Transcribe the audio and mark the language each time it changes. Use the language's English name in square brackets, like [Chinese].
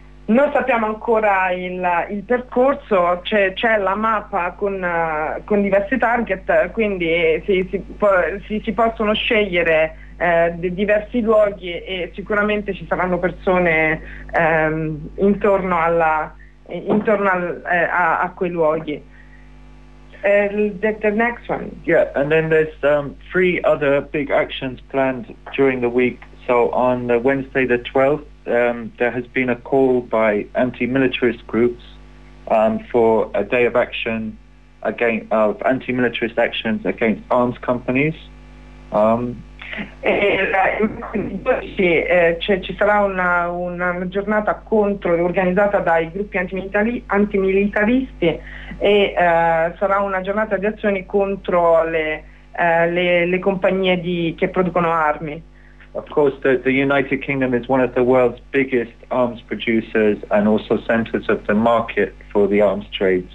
[Italian] Non sappiamo ancora il percorso, c'è la mappa con diversi target, quindi si possono scegliere diversi luoghi, e sicuramente ci saranno persone intorno a quei luoghi. [English] The next one. Yeah, and then there's three other big actions planned during the week. So on the Wednesday the 12th, there has been a call by anti-militarist groups for a day of action of anti-militarist actions against arms companies. [Italian] Ci sarà una giornata contro, organizzata dai gruppi antimilitaristi, e sarà una giornata di azioni contro le compagnie che producono armi. [English] Of course, the United Kingdom is one of the world's biggest arms producers and also centers of the market for the arms trade.